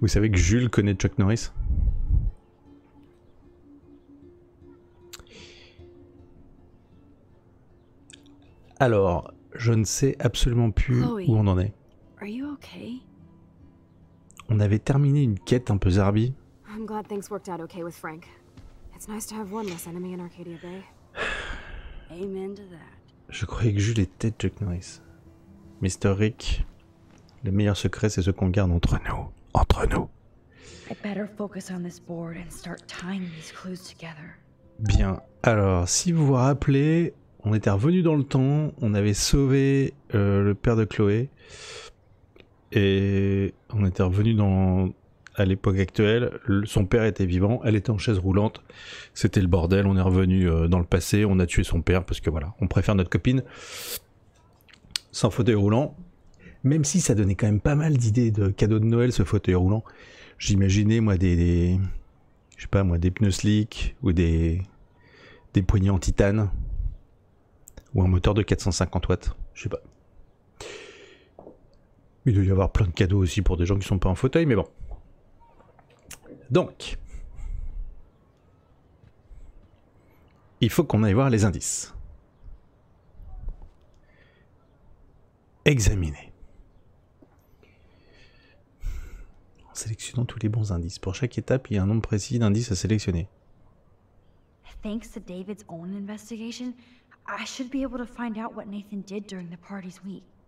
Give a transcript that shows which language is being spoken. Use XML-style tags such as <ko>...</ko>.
<fr>Vous savez que Jules connaît Chuck Norris ? Alors, je ne sais absolument plus où on en est. On avait terminé une quête un peu zarbie.</fr> <en>I'm glad things worked out okay with Frank. It's nice to have one less enemy in Arcadia Bay. Amen to that.</en> <fr>Je croyais que Jules était Chuck Norris. Mr. Rick, le meilleur secret, c'est ce qu'on garde entre nous. Entre nous.</fr> <en>I better focus on this board and start tying these clues together.</en> <fr>Bien, alors si vous vous rappelez, on était revenu dans le temps, on avait sauvé le père de Chloé, et on était revenu à l'époque actuelle, son père était vivant, elle était en chaise roulante, c'était le bordel, on est revenu dans le passé, on a tué son père, parce que voilà, on préfère notre copine sans fauteuil roulant, même si ça donnait quand même pas mal d'idées de cadeaux de Noël, ce fauteuil roulant. J'imaginais moi des pneus slick ou des poignées en titane ou un moteur de 450 watts, je sais pas. Il doit y avoir plein de cadeaux aussi pour des gens qui sont pas en fauteuil, mais bon. Donc, il faut qu'on aille voir les indices. Examiner. En sélectionnant tous les bons indices. Pour chaque étape, il y a un nombre précis d'indices à sélectionner.</fr> <en>Thanks to David's own investigation, I should be able to find out what Nathan did during the party's week.</en>